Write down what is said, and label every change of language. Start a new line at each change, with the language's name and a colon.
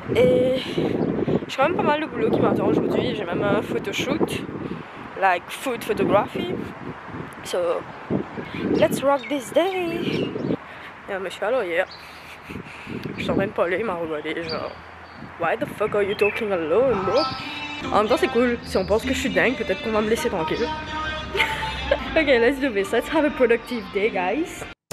French: Et j'ai quand même pas mal de boulot qui m'attend aujourd'hui. J'ai même un photoshoot.
English: Like, food photography. So, let's rock this day.
French: Il y a un monsieur à l'arrière. Je t'en même pas aller, il m'a regardé genre...
English: Why the fuck are you talking alone, bro?
French: En même temps, c'est cool. Si on pense que je suis dingue, peut-être qu'on va me laisser tranquille.
English: Ok, let's do this. Let's have a productive day, guys.